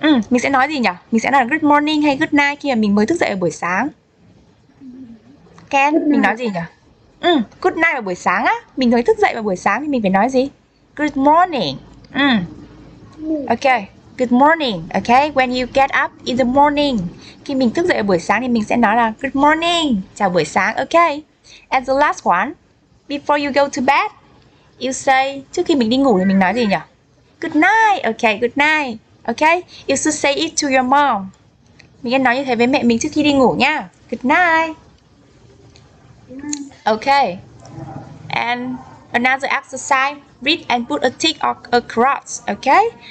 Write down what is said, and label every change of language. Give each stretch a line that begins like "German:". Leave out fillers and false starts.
Vietnamese: Mình sẽ nói gì nhỉ? Mình sẽ nói là good morning hay good night khi mà mình mới thức dậy ở buổi sáng. Ken, mình nói gì nhỉ? Good night vào buổi sáng á. Mình mới thức dậy vào buổi sáng thì mình phải nói gì?
English: Good morning. Okay, good morning. Okay, when you get up in the morning.
Vietnamese: Khi mình thức dậy vào buổi sáng thì mình sẽ nói là good morning. Chào buổi sáng, okay.
English: And the last one. Before you go to bed, you say.
Vietnamese: Trước khi mình đi ngủ thì mình nói gì nhỉ?
English: Good night, okay, good night. Okay, you should say it to your mom.
Vietnamese: Mình sẽ nói như thế với mẹ mình trước khi đi ngủ nha.
English: Good night. Okay, and another exercise, read and put a tick or a cross, okay?